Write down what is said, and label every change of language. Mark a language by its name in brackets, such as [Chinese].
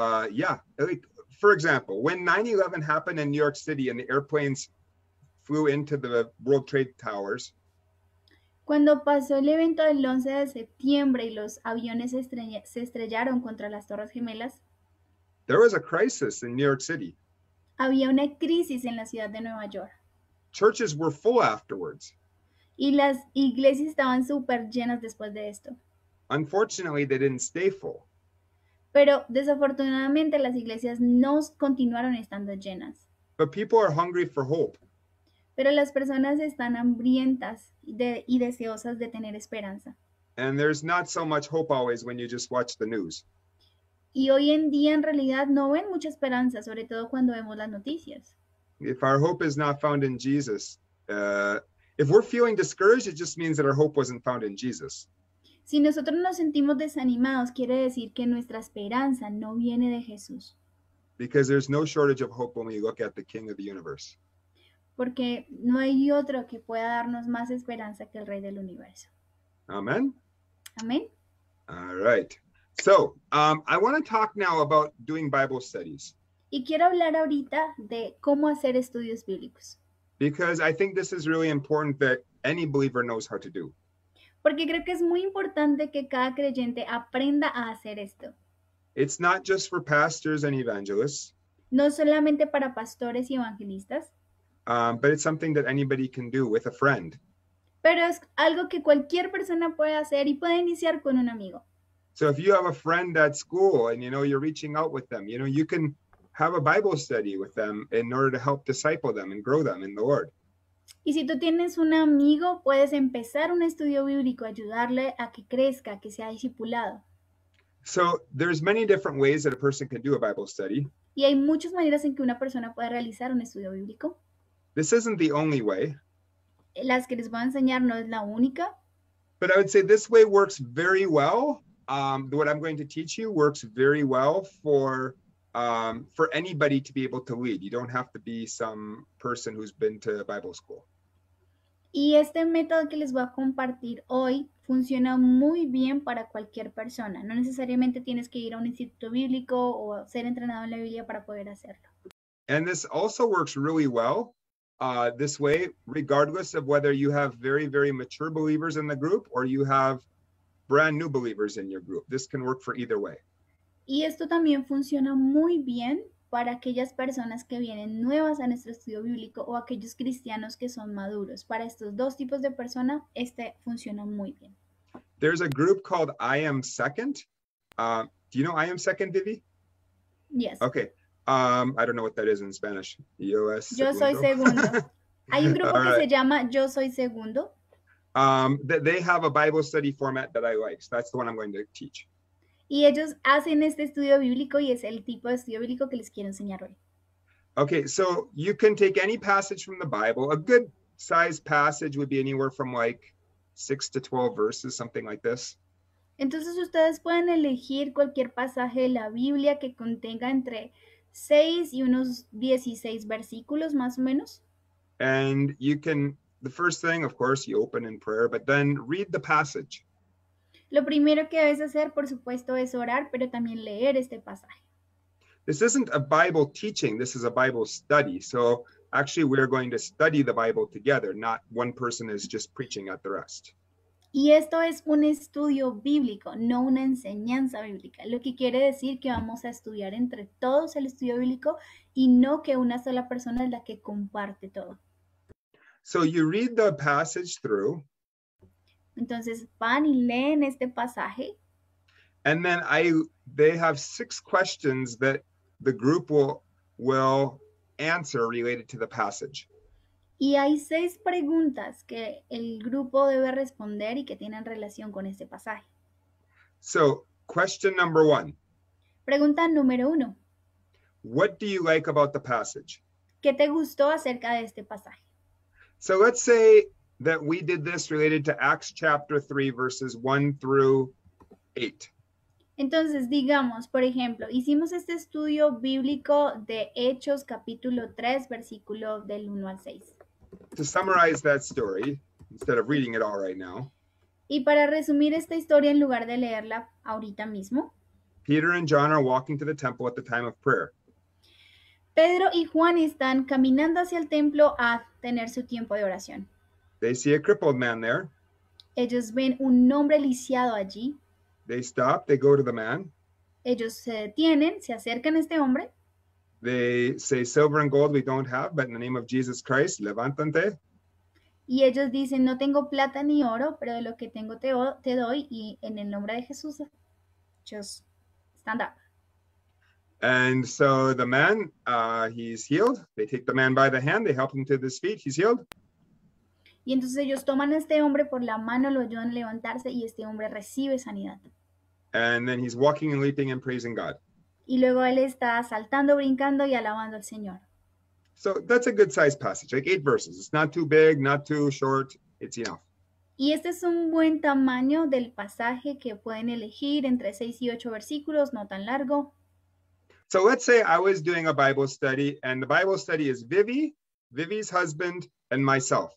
[English] Yeah, like, for example, when 9/11 happened in New York City and the airplanes flew into the World Trade Towers. [Spanish] Cuando pasó el evento del 11 de septiembre y los aviones se estrellaron contra las Torres Gemelas, [English] There was a crisis in New York City. [Spanish] había una crisis en la ciudad de Nueva York. [English] Churches were full afterwards. [Spanish] Y las iglesias estaban súper llenas después de esto. [English] Unfortunately, they didn't stay full. [Spanish] Pero desafortunadamente las iglesias no continuaron estando llenas. [English] But people are hungry for hope. [Spanish] Pero las personas están hambrientas y deseosas de tener esperanza. [English] And there's not so much hope always when you just watch the news. [Spanish] Y hoy en día en realidad no ven mucha esperanza, sobre todo cuando vemos las noticias. [English] If our hope is not found in Jesus, if we're feeling discouraged, it just means that our hope wasn't found in Jesus. [Spanish] Si nosotros nos sentimos desanimados, quiere decir que nuestra esperanza no viene de Jesús. [English] Because there's no shortage of hope when we look at the King of the Universe. [Spanish] Porque no hay otro que pueda darnos más esperanza que el Rey del Universo. [English] Amen. [Spanish] Amén. [English] All right. I want to talk now about doing Bible studies. [Spanish] Y quiero hablar ahorita de cómo hacer estudios bíblicos. [English] Because I think this is really important that any believer knows how to do. [Spanish] Porque creo que es muy importante que cada creyente aprenda a hacer esto. [English] It's not just for pastors and evangelists, [Spanish] No solamente para pastores y evangelistas, [English] but it's something that anybody can do with a friend. [Spanish] Pero es algo que cualquier persona puede hacer y puede iniciar con un amigo. [English] So if you have a friend at school and you know you're reaching out with them, you know, you can have a Bible study with them in order to help disciple them and grow them in the Lord. [Spanish] Y si tú tienes un amigo, puedes empezar un estudio bíblico, ayudarle a que crezca, que sea discipulado. [English] So there's many different ways that a person can do a Bible study. [Spanish] Y hay muchas maneras en que una persona puede realizar un estudio bíblico. [English] This isn't the only way. [Spanish] Las que les voy a enseñar no es la única. [English] But I would say this way works very well. What I'm going to teach you works very well for anybody to be able to lead. You don't have to be some person who's been to Bible school. [Spanish] Y este método que les voy a compartir hoy funciona muy bien para cualquier persona. No necesariamente tienes que ir a un instituto bíblico o ser entrenado en la Biblia para poder hacerlo. [English] And this also works really well this way, regardless of whether you have very, very mature believers in the group or you have brand new believers in your group. This can work for either way. [Spanish] Y esto también funciona muy bien para aquellas personas que vienen nuevas a nuestro estudio bíblico o aquellos cristianos que son maduros. Para estos dos tipos de personas, este funciona muy bien. [English] There's a group called I Am Second. Do you know I Am Second, Vivi? Yes. Okay. I don't know what that is in Spanish. [Spanish] Yo segundo. Soy segundo. Hay un grupo que se llama Yo Soy Segundo. [English] They have a Bible study format that I like. So that's the one I'm going to teach. [Spanish] Y ellos hacen este estudio bíblico y es el tipo de estudio bíblico que les quiero enseñar hoy. [English] Okay, so you can take any passage from the Bible. A good size passage would be anywhere from like 6 to 12 verses, something like this. [Spanish] Entonces ustedes pueden elegir cualquier pasaje de la Biblia que contenga entre 6 y unos 16 versículos, más o menos. [English] And you can, the first thing, of course, you open in prayer, but then read the passage. [Spanish] Lo primero que debes hacer, por supuesto, es orar, pero también leer este pasaje. [English] This isn't a Bible teaching, this is a Bible study. So actually we're going to study the Bible together, not one person is just preaching at the rest. [Spanish] Y esto es un estudio bíblico, no una enseñanza bíblica. Lo que quiere decir que vamos a estudiar entre todos el estudio bíblico y no que una sola persona es la que comparte todo. [English] So you read the passage through. [Spanish] Entonces, van y leen este pasaje. [English] And then they have six questions that the group will answer related to the passage. [Spanish] Y hay seis preguntas que el grupo debe responder y que tienen relación con este pasaje. [English] So, question number one. [Spanish] Pregunta número uno. [English] What do you like about the passage? [Spanish] ¿Qué te gustó acerca de este pasaje? [English] So, let's say that we did this related to Acts chapter 3, verses 1 through 8. [Spanish] Entonces, digamos, por ejemplo, hicimos este estudio bíblico de Hechos capítulo 3, versículo del 1 al 6. [English] To summarize that story, instead of reading it all right now. [Spanish] Y para resumir esta historia en lugar de leerla ahorita mismo. [English] Peter and John are walking to the temple at the time of prayer. [Spanish] Pedro y Juan están caminando hacia el templo a tener su tiempo de oración. [English] They see a crippled man there. [Spanish] Ellos ven un hombre lisiado allí. [English] They stop, they go to the man. [Spanish] Ellos se detienen, se acercan a este hombre. [English] They say, silver and gold we don't have, but in the name of Jesus Christ, [Spanish] levántate. Y ellos dicen, no tengo plata ni oro, pero de lo que tengo te doy, y en el nombre de Jesús, [English] just stand up. And so the man, he's healed. They take the man by the hand, they help him to his feet, he's healed. [Spanish] Y entonces ellos toman a este hombre por la mano, lo ayudan a levantarse y este hombre recibe sanidad. [English] And then he's walking and leaping and praising God. [Spanish] Y luego él está saltando, brincando y alabando al Señor. [English] So that's a good size passage, like 8 verses. It's not too big, not too short, it's enough. [Spanish] Y este es un buen tamaño del pasaje que pueden elegir entre 6 y 8 versículos, no tan largo. [English] So let's say I was doing a Bible study and the Bible study is Vivi's husband, and myself.